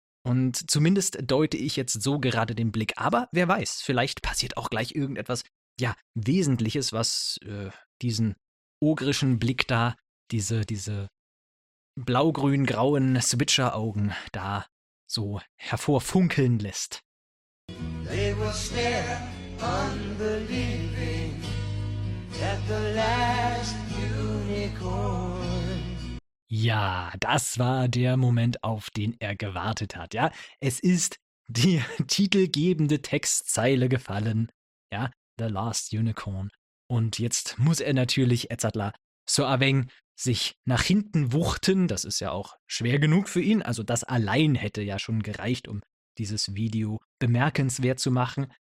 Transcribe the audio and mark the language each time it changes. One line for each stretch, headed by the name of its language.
German: Und zumindest deute ich jetzt so gerade den Blick. Aber wer weiß, vielleicht passiert auch gleich irgendetwas, ja, Wesentliches, was diesen ogrischen Blick da, diese blau-grün-grauen Switcher-Augen da so hervorfunkeln lässt.
English: They will stare unbelieving at the last unicorn.
German: Ja, das war der Moment, auf den er gewartet hat. Ja, es ist die titelgebende Textzeile gefallen. Ja, The Last Unicorn. Und jetzt muss er natürlich, Edzardler, so aweng sich nach hinten wuchten, das ist ja auch schwer genug für ihn, also das allein hätte ja schon gereicht, um dieses Video bemerkenswert zu machen.